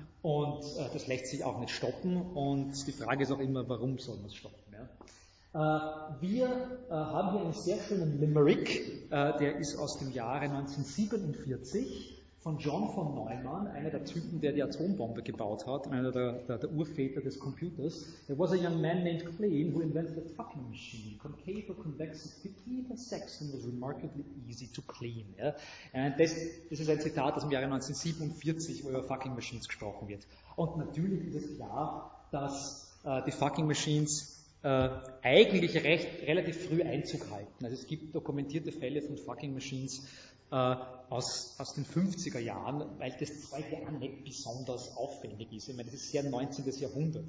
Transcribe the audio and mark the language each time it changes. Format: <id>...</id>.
<de>Und das lässt sich auch nicht stoppen. Und die Frage ist auch immer, warum soll man es stoppen? Ja? Wir haben hier einen sehr schönen Limerick, der ist aus dem Jahre 1947 von John von Neumann, einer der Typen, der die Atombombe gebaut hat, einer der Urväter des Computers.</de> <en>There was a young man named Klein who invented a fucking machine. Concave or convex, even sex was remarkably easy to clean. Ja?</en> <de>Das ist ein Zitat aus dem Jahre 1947, wo über fucking machines gesprochen wird. Und natürlich ist es klar, dass die fucking machines eigentlich recht relativ früh Einzug halten. Also es gibt dokumentierte Fälle von fucking machines aus den 50er Jahren, weil das Zeug ja nicht besonders aufwendig ist. Ich meine, das ist sehr 19. Jahrhundert.</de>